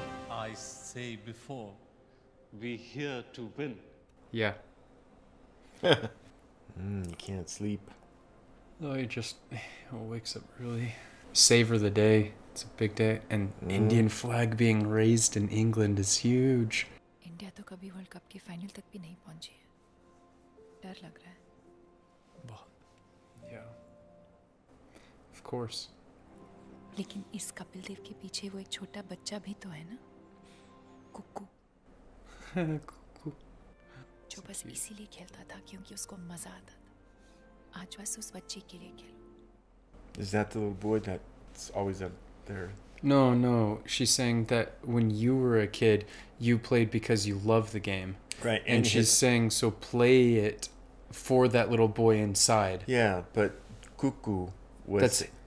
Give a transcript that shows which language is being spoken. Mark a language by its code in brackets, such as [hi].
[en] I say before, we here to win. Yeah. you can't sleep. No, he just wakes up really. Savor the day. It's a big day. And Indian flag being raised in England is huge. [hi] India तो कभी world cup के final तक भी नहीं पहुंची है। डर लग रहा है। [en] बहुत, yeah, of course. [hi] लेकिन इस कपिल देव के पीछे वो एक छोटा बच्चा भी तो है ना? कुकु। कुकु। जो बस इसीलिए खेलता था क्योंकि उसको मजा आता था। आज बस उस बच्चे के लिए खेलो। [en] Is that the little boy that's always up there? No, no. She's saying that when you were a kid, you played because you love the game. Right. And she's saying, so play it for that little boy inside. Yeah, but Cuckoo was...